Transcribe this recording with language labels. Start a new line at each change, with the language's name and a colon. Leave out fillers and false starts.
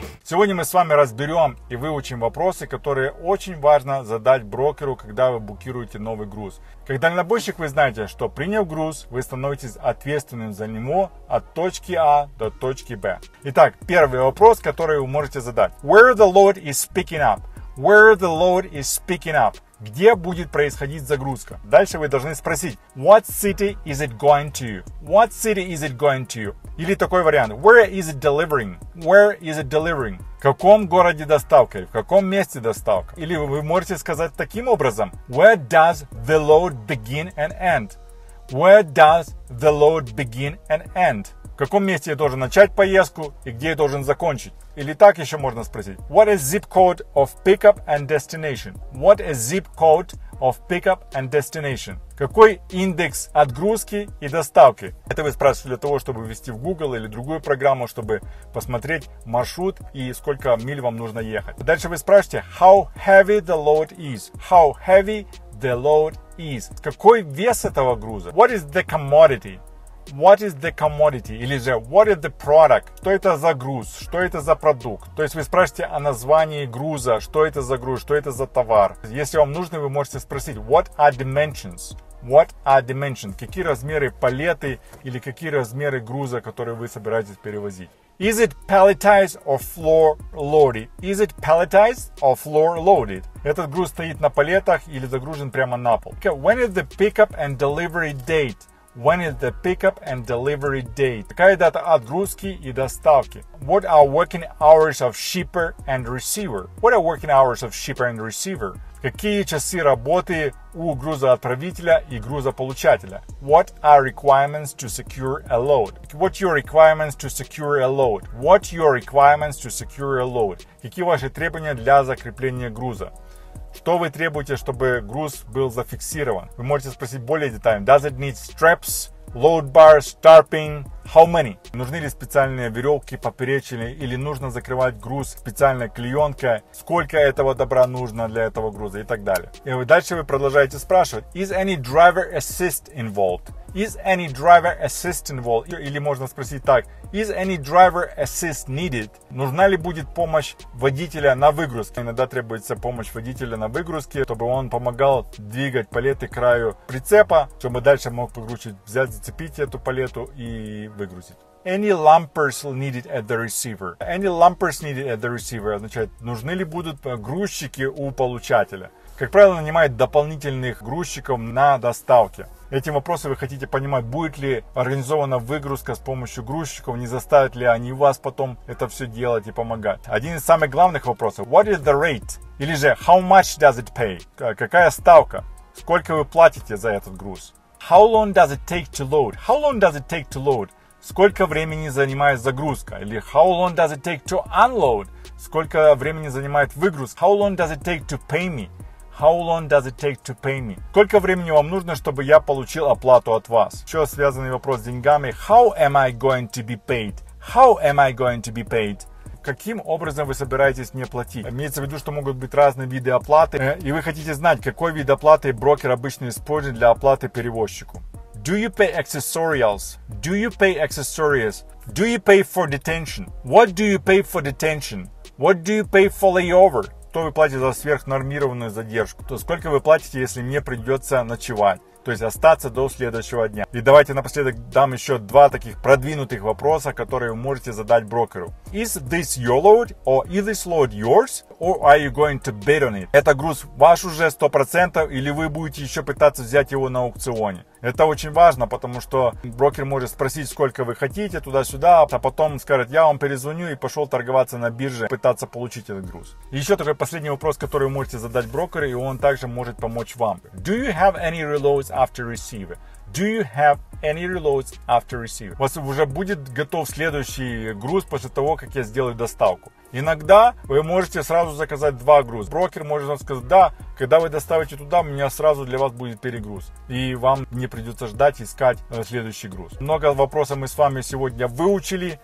Russian: Сегодня мы с вами разберем и выучим вопросы, которые очень важно задать брокеру, когда вы букируете новый груз. Как дальнобойщик, вы знаете, что приняв груз, вы становитесь ответственным за него от точки А до точки Б. Итак, первый вопрос, который вы можете задать.
English: Where the load is picking up? Where the load is picking up?
Russian: Где будет происходить загрузка? Дальше вы должны спросить.
English: What city is it going to? What city is it going to?
Russian: Или такой вариант.
English: Where is it delivering? Where is it delivering?
Russian: В каком городе доставка? В каком месте доставка? Или вы можете сказать таким образом.
English: Where does the load begin and end? Where does the load begin and end?
Russian: В каком месте я должен начать поездку и где я должен закончить? Или так еще можно спросить.
English: What is zip code of pickup and destination? What is zip code of pickup and destination?
Russian: Какой индекс отгрузки и доставки? Это вы спрашиваете для того, чтобы ввести в Google или другую программу, чтобы посмотреть маршрут и сколько миль вам нужно ехать. Дальше вы спрашиваете.
English: How heavy the load is? How heavy the load is?
Russian: Какой вес этого груза?
English: What is the commodity? What is the commodity?
Russian: Или же
English: what is the product?
Russian: Что это за груз? Что это за продукт? То есть вы спрашиваете о названии груза. Что это за груз? Что это за товар? Если вам нужно, вы можете спросить.
English: What are dimensions? What are dimensions?
Russian: Какие размеры палеты или какие размеры груза, которые вы собираетесь перевозить?
English: Is it palletized or floor loaded? Is it palletized or floor loaded?
Russian: Этот груз стоит на палетах или загружен прямо на пол?
English: Okay. When is the pickup and delivery date? When is the pickup and delivery date?
Russian: Какая дата отгрузки и доставки?
English: What are working hours of shipper and receiver? What are working hours of shipper and receiver?
Russian: Какие часы работы у грузоотправителя и грузополучателя?
English: What are requirements to secure a load? What your requirements to secure a load? What your requirements to secure a load?
Russian: Какие ваши требования для закрепления груза? Что вы требуете, чтобы груз был зафиксирован? Вы можете спросить более детально.
English: Does it need straps, load bars, tarping? How many?
Russian: Нужны ли специальные веревки поперечные или нужно закрывать груз специальной клеенкой? Сколько этого добра нужно для этого груза и так далее. И дальше вы продолжаете спрашивать.
English: Is any driver assist involved? Is any driver assist involved?
Russian: Или можно спросить так.
English: Is any driver assist needed?
Russian: Нужна ли будет помощь водителя на выгрузке? Иногда требуется помощь водителя на выгрузке, чтобы он помогал двигать палеты к краю прицепа, чтобы дальше мог погрузить, взять, зацепить эту палету и выгрузить.
English: Any lumpers needed at the receiver? Any lumpers needed at the receiver?
Russian: Означает, нужны ли будут грузчики у получателя? Как правило, нанимают дополнительных грузчиков на доставке. Этим вопросом вы хотите понимать, будет ли организована выгрузка с помощью грузчиков, не заставят ли они вас потом это все делать и помогать. Один из самых главных вопросов.
English: What is the rate?
Russian: Или же
English: how much does it pay?
Russian: Какая ставка? Сколько вы платите за этот груз?
English: How long does it take to load? How long does it take to load?
Russian: Сколько времени занимает загрузка? Или
English: how long does it take to unload?
Russian: Сколько времени занимает выгрузка?
English: How long does it take to pay me? How long does it take to pay me?
Russian: Сколько времени вам нужно, чтобы я получил оплату от вас? Еще связанный вопрос с деньгами.
English: How am I going to be paid? How am I going to be paid?
Russian: Каким образом вы собираетесь мне платить? Имеется в виду, что могут быть разные виды оплаты. И вы хотите знать, какой вид оплаты брокер обычно использует для оплаты перевозчику.
English: Do you pay accessorials? Do you pay accessories? Do you pay for detention? What do you pay for detention? What do you pay for layover?
Russian: Что вы платите за сверхнормированную задержку? То сколько вы платите, если мне придется ночевать? То есть остаться до следующего дня. И давайте напоследок дам еще два таких продвинутых вопроса, которые вы можете задать брокеру.
English: Is this your load? Or is this load yours? Or are you going to bid on it?
Russian: Это груз ваш уже 100% или вы будете еще пытаться взять его на аукционе? Это очень важно, потому что брокер может спросить, сколько вы хотите туда-сюда, а потом скажет, я вам перезвоню и пошел торговаться на бирже, пытаться получить этот груз. Еще такой последний вопрос, который вы можете задать брокеру, и он также может помочь вам.
English: Do you have any reloads after receiver? Do you have any reloads after receiving?
Russian: У вас уже будет готов следующий груз после того, как я сделаю доставку. Иногда вы можете сразу заказать два груза. Брокер может вам сказать, да, когда вы доставите туда, у меня сразу для вас будет перегруз. И вам не придется ждать, искать следующий груз. Много вопросов мы с вами сегодня выучили.